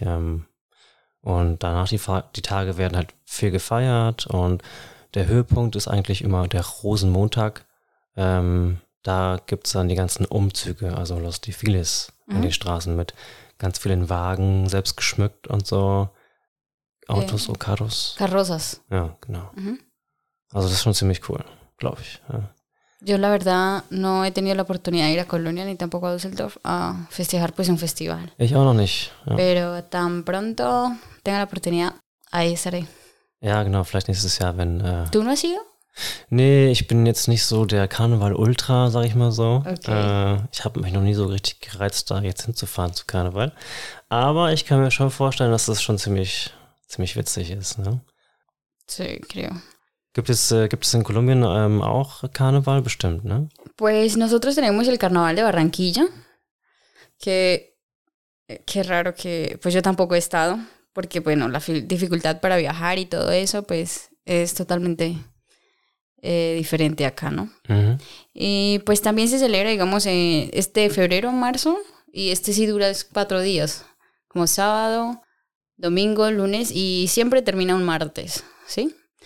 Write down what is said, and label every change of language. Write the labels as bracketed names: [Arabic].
[German] Und danach, die Tage werden halt viel gefeiert und der Höhepunkt ist eigentlich immer der Rosenmontag. Da gibt es dann die ganzen Umzüge, also los die vieles in die Straßen mit. Ganz vielen Wagen, selbst geschmückt und so. [Spanish] Autos o carros. Carrozas. [German] Ja, genau. Also das ist schon ziemlich cool, glaube ich. [Spanish] Yo la verdad no he tenido la oportunidad de ir a Colonia ni tampoco a Düsseldorf a festejar pues un festival. [German] Ich auch noch nicht. Ja. [Spanish] Pero tan pronto tenga la oportunidad, ahí estaré. [German] Ja, genau, vielleicht nächstes Jahr, wenn... [Spanish] ¿Tú no has ido? [German] Nee, ich bin jetzt nicht so der Karneval-Ultra, sag ich mal so. Okay. Ich habe mich noch nie so richtig gereizt, da jetzt hinzufahren zu Karneval. Aber ich kann mir schon vorstellen, dass das schon ziemlich witzig ist, ne? [Spanish] Sí, creo. [German] Gibt es [Spanish] en Colombia [German] auch Karneval bestimmt, ne? [Spanish] Pues nosotros tenemos el Carnaval de Barranquilla, que qué raro que, pues yo tampoco he estado, porque bueno, la dificultad para viajar y todo eso, pues es totalmente diferente acá, ¿no? Uh-huh. Y pues también se celebra, digamos, este febrero, marzo, y este sí dura 4 días, como sábado, domingo, lunes, y siempre termina un martes, ¿sí?